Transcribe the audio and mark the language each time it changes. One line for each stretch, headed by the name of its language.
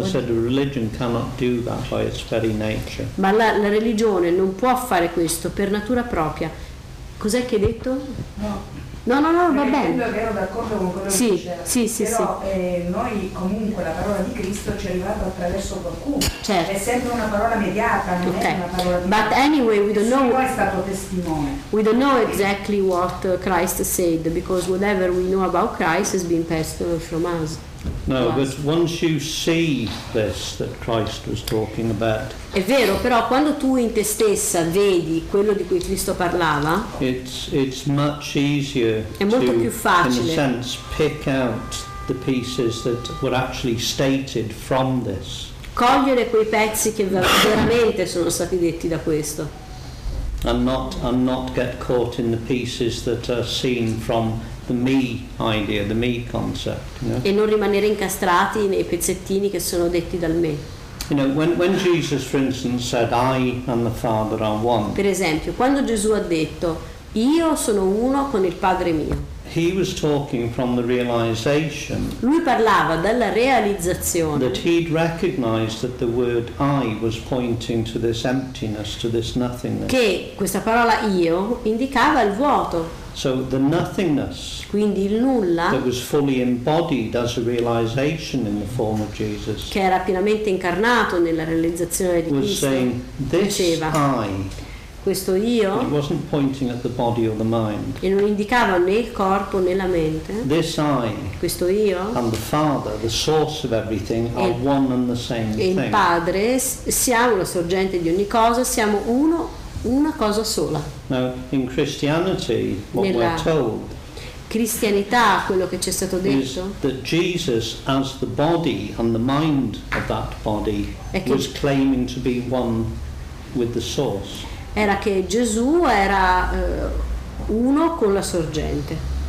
English: I said religion cannot do that by its very nature.
Italian: Ma la religione non può fare questo per natura propria. Cos'è che hai detto? No, va bene. Io ero d'accordo con quello sì, che dice. Sì, però sì. Noi comunque la parola di Cristo ci è arrivata attraverso qualcuno. Certo. È sempre una parola mediata, non okay. È una parola di
English: But anyway, we don't know.
Italian: È stato testimone.
English: We don't know exactly what Christ said, because whatever we know about Christ has been passed from us.
Italian: Sì,
English: No, but once you see this that Christ was talking about.
Italian: È vero, però quando tu in te stessa vedi quello di cui Cristo parlava,
English: it's much easier.
Italian: È molto più facile.
English: In a sense, pick out the pieces that were actually stated from this.
Italian: Cogliere quei pezzi che veramente sono stati detti da questo.
English: And not get caught in the pieces that are seen from the me idea, the me concept. Yeah?
Italian: E non rimanere incastrati nei pezzettini che sono detti dal me.
English: You know, when Jesus, for instance, said, I and the Father are one.
Italian: Per esempio, quando Gesù ha detto, io sono uno con il Padre mio.
English: He was talking from the realization.
Italian: Lui parlava dalla realizzazione.
English: That he'd recognized that the word I was pointing to this emptiness, to this nothingness.
Italian: Che questa parola io indicava il vuoto.
English: So the nothingness.
Italian: Quindi il nulla.
English: That was fully embodied as a realization in the form of Jesus.
Italian: Che era pienamente incarnato nella realizzazione di Cristo.
English: Was saying this
Italian: diceva,
English: I.
Italian: Questo io.
English: It wasn't pointing at the body or the mind.
Italian: E non indicava né il corpo né la mente.
English: This I.
Italian: Questo io.
English: And the Father, the source of everything, are one and the same thing.
Italian: E il Padre, siamo la sorgente di ogni cosa, siamo uno, una cosa sola.
English: Now, in Christianity, what
Italian: nella
English: we're told.
Italian: Cristianità, quello che ci è stato detto.
English: That Jesus, as the body and the mind of that body, was claiming to be one with the source.
Italian: Era che Gesù era uno con la sorgente.